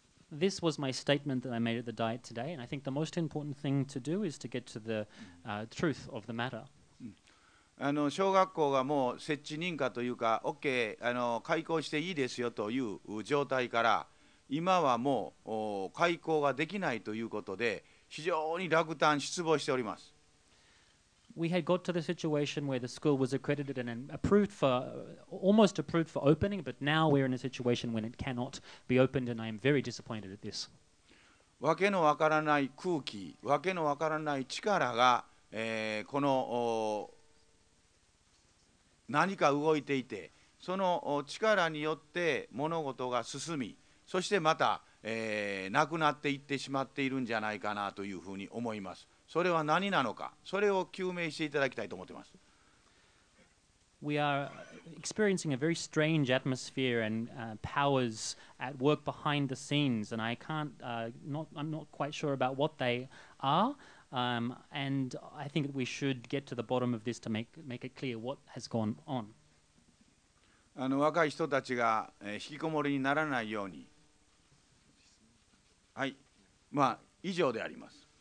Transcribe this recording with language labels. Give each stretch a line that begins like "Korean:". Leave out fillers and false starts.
English: This was my statement that I made at the diet today, and I think the most important thing to do is to get to the truth of the matter.
Japanese: 小学校がもう設置認可というか、OK、開校していいですよという状態から、今はもう開校ができないということで、非常に落胆、失望しております。
English: We had got to the situation where the school was accredited and approved for, almost approved for opening, but now we're in a situation when it cannot be opened, and I am very disappointed at this.
Japanese: わけのわからない空気、わけのわからない力が、この何か動いていて、その力によって物事が進み、そしてまた、なくなっていってしまっているんじゃないかなというふうに思います。それは何なのか、それを究明していただきたいと思っています。
English: We are experiencing a very strange atmosphere and powers at work behind the scenes, and I can't, I'm not quite sure about what they are. And I think that we should get to the bottom of this to make it clear what has gone on.
Japanese: 若い人たちが、引きこもりにならないように、はい、まあ以上であります。